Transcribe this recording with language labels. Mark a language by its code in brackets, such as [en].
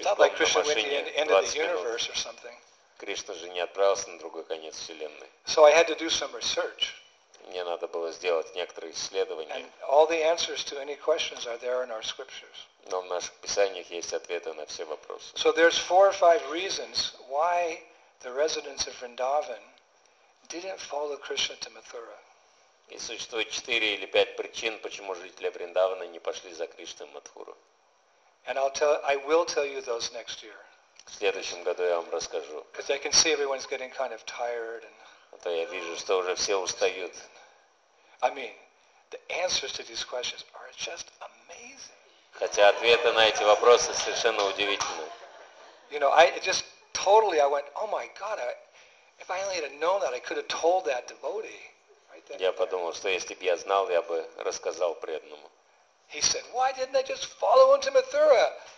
[en] It's not like Krishna went to the end of the universe or something. [ru] Кришна же не отправился на другой конец вселенной. [en] So I had to do some research. [ru] Мне надо было сделать некоторые исследования. [en] And all the answers to any questions are there in our scriptures. [ru] Но в наших писаниях есть ответы на все вопросы. [en] So there's four or five reasons why the residents of Vrindavan didn't follow Krishna to Mathura. [ru] И существует 4 или 5 причин, почему жители Вриндавана не пошли за Кришной в Матхуру. [en] And I will tell you those next year. [ru] В следующем году я вам расскажу. [en] Because I can see everyone's getting kind of tired and [ru] то я вижу, что уже все устают. [en] I mean, the answers to these questions are just amazing. [ru] Хотя ответы на эти вопросы совершенно удивительны. [en] You know, I went, oh my God, if I only had known that, I could have told that devotee. Right, [ru] я подумал, что если бы я знал, я бы рассказал преданному. [en] He said, why didn't they just follow into Mathura?